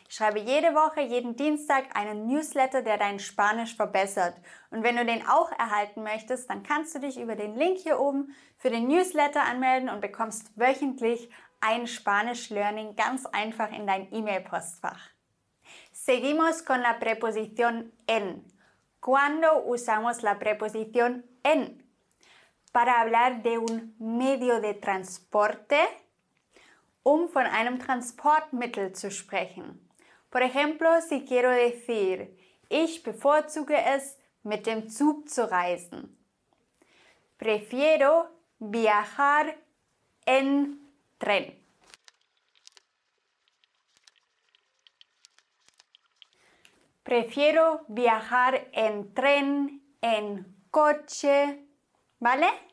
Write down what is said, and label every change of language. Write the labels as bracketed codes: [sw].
[de] Ich schreibe jede Woche, jeden Dienstag einen Newsletter, der dein Spanisch verbessert. Und wenn du den auch erhalten möchtest, dann kannst du dich über den Link hier oben für den Newsletter anmelden und bekommst wöchentlich ein Spanisch-Learning ganz einfach in dein E-Mail-Postfach. [es] Seguimos con la preposición en. ¿Cuándo usamos la preposición en? Para hablar de un medio de transporte, [de] um von einem Transportmittel zu sprechen. [es] Por ejemplo, si quiero decir, [de] ich bevorzuge es, mit dem Zug zu reisen. [es] Prefiero viajar en tren. Prefiero viajar en tren, en coche. ¿Vale?